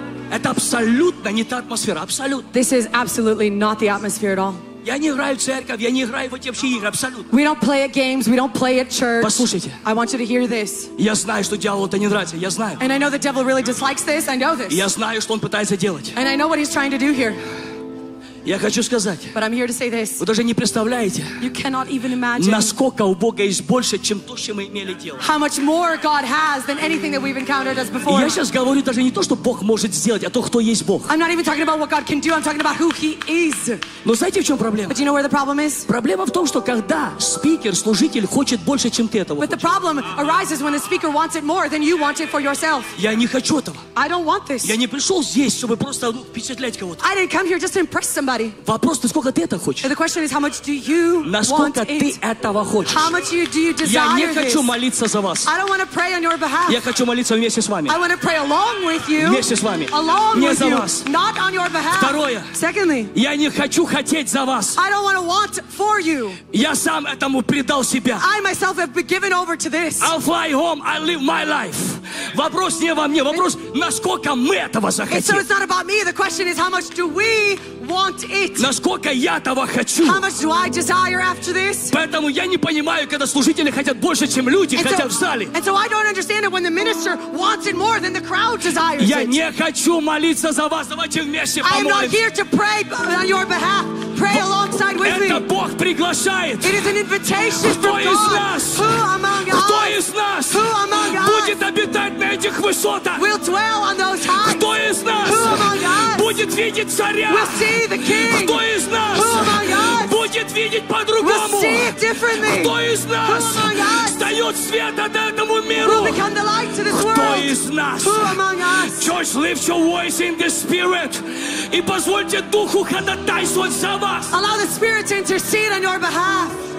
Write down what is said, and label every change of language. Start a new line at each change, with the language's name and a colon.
Russian: Это абсолютно не та атмосфера. Абсолютно.
English: This is absolutely not the atmosphere at all.
Russian: Я не играю в церковь, я не играю в эти вообще игры, абсолютно.
English: We don't play at games, we don't play at church.
Russian: Послушайте.
English: I want you to hear this.
Russian: Я знаю, что дьяволу это не нравится, я знаю.
English: And I know the devil really dislikes this, I know this.
Russian: Я знаю, что он пытается делать.
English: And I know what he's trying to do here.
Russian: Я хочу сказать,
English: but I'm here to say this.
Russian: Вы даже не представляете,
English: you cannot even imagine,
Russian: насколько у Бога есть больше, чем то, чем мы имели дело.
English: How much more God has than anything that we've encountered as before.
Russian: Я сейчас говорю даже не то, что Бог может сделать, а то, кто есть Бог.
English: I'm not even talking about what God can do. I'm talking about who He is.
Russian: Но знаете, в чем проблема?
English: But do you know where the problem is?
Russian: Проблема в том, что когда спикер, служитель хочет больше, чем ты этого.
English: But the problem arises when the speaker wants it more than you want it for yourself.
Russian: Я не хочу этого.
English: I don't want this.
Russian: Я не пришел здесь, чтобы просто впечатлять кого-то.
English: I didn't come here just to impress somebody.
Russian: Вопрос, насколько ты это хочешь?
English: The question is, how much do you
Russian: насколько
English: want
Russian: ты
English: it?
Russian: Этого хочешь?
English: How much do you desire
Russian: я не хочу
English: this?
Russian: Молиться за вас.
English: I don't want to pray on your behalf.
Russian: Я хочу молиться вместе с вами.
English: I want to pray along with you.
Russian: Вместе с вами.
English: Along
Russian: не
English: with
Russian: за
English: you.
Russian: Вас.
English: Not on your behalf.
Russian: Второе.
English: Secondly,
Russian: я не хочу хотеть за вас.
English: I don't want to want for you.
Russian: Я сам этому предал себя.
English: I myself have been given over to this. I'll fly home. I'll live my life.
Russian: Вопрос не во мне. Вопрос, насколько мы этого захотим.
English: So it's not about me. The question is, how much do we want?
Russian: Насколько я этого хочу.
English: How much do I desire after this?
Russian: Поэтому я не понимаю, когда служители хотят больше, чем люди хотят в зале.
English: And so I don't understand it when the minister wants it more than the crowd desires.
Russian: Я не хочу молиться за вас. Давайте вместе помолимся.
English: I am not here to pray on your behalf. Pray alongside with me.
Russian: Это Бог приглашает.
English: It is an invitation from God.
Russian: Кто из нас?
English: Who among us?
Russian: Кто из нас?
English: Who among us?
Russian: Будет обитать на этих высотах?
English: Will dwell on those heights.
Russian: Кто из нас?
English: Who among us?
Russian: Будет видеть царя?
English: Will see the king.
Russian: Кто из нас?
English: Who among us?
Russian: Будет видеть по-другому?
English: Will see it differently.
Russian: Кто из нас?
English: Who among us?
Russian: Встает свет от этому миру?
English: Will become the light to this world.
Russian: Кто из нас?
English: Who among us? Church, lift your voice in the spirit.
Russian: И позвольте Духу ходатайствовать за вас.
English: Allow the Spirit to intercede on your behalf.